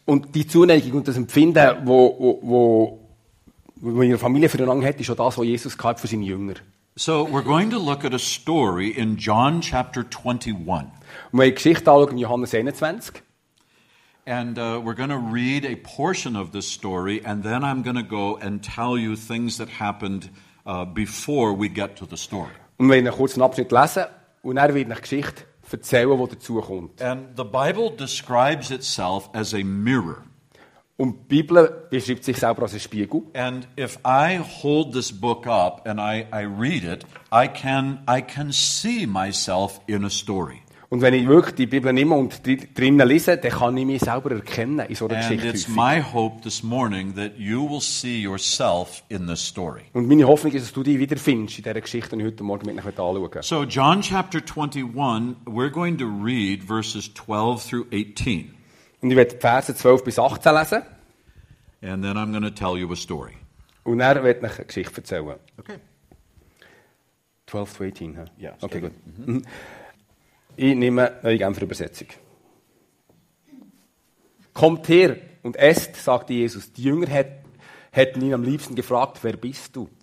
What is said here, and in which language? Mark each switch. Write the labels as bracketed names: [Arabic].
[German] Und die Zuneigung und das Empfinden, wo ihre Familie füreinander hat, ist auch das, was Jesus gehabt für seine Jünger. [English] So we're going to look at a story in John chapter 21. [German] Und wir Geschichte anschauen in Johannes 21. [English] And we're going to read a portion of this story, and then I'm going to go and tell you things that happened before we get to the story. [German] Und wir werden kurz einen Abschnitt lesen und er wird eine Geschichte erzählen, die dazu kommt. [English] And the Bible describes itself as a mirror. [German] Und die Bibel beschreibt sich selber als ein Spiegel. [English] And if I hold this book up and I read it, I can see myself in a story. [German] Und wenn ich wirklich die Bibel nehme und drinnen lese, dann kann ich mich selber erkennen in so einer Geschichte. [English] And it's my hope this morning that you will see yourself in this story. [German] Und meine Hoffnung ist, dass du dich wiederfindest in dieser Geschichte, die ich heute Morgen mit euch anschauen. [English] So John chapter 21, we're going to read verses 12 through 18. [German] Und ich werde die Verse 12 bis 18 lesen. [English] And then I'm going to tell you a story. [German] Und er wird euch eine Geschichte erzählen. [English] Okay. 12 to 18, huh? Yeah. Okay, good. [German] Ich nehme eine Genfer Übersetzung. Kommt her und esst, sagte Jesus. Die Jünger hätten ihn am liebsten gefragt, wer bist du?